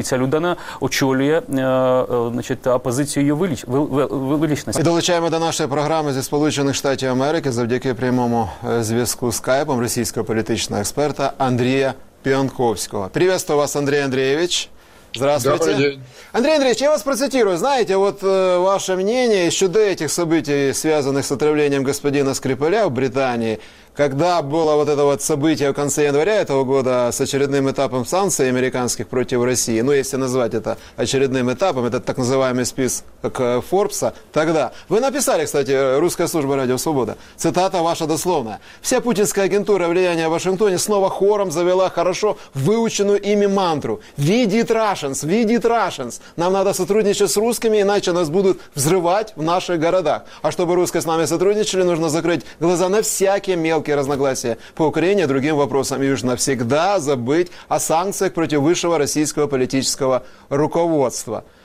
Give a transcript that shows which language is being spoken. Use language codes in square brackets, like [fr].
[uk] І ця людина очолює опозицію її величності. І долучаємо до нашої програми зі Сполучених Штатів Америки завдяки прямому зв'язку з скайпом російського політичного експерта Андрія Піонковського. Привітаю вас, Андрій Андрійович. [ru] Здравствуйте. [uk] Андрій Андрійович, [ru] я вас процитирую. [uk] Знаєте, от ваше [ru] мнение [uk] щодо цих [ru] событий, [uk] зв'язаних з [ru] отравлением господина Скрипаля [uk] в Британії, [ru] когда було вот это вот событие в конце января этого года с очередным этапом санкций американских против России, ну, если назвать это очередным этапом, этот так называемый список Форбса, тогда... Вы написали, кстати, русская служба «Радио Свобода», цитата ваша дословная. «Вся путинская агентура влияния в Вашингтоне снова хором завела хорошо выученную ими мантру. Видит Russians, видит Russians. Нам надо сотрудничать с русскими, иначе нас будут взрывать в наших городах. А чтобы русские с нами сотрудничали, нужно закрыть глаза на всякие мелкие разногласия по Украине, другим вопросам, и уж навсегда забыть о санкциях против высшего российского политического руководства».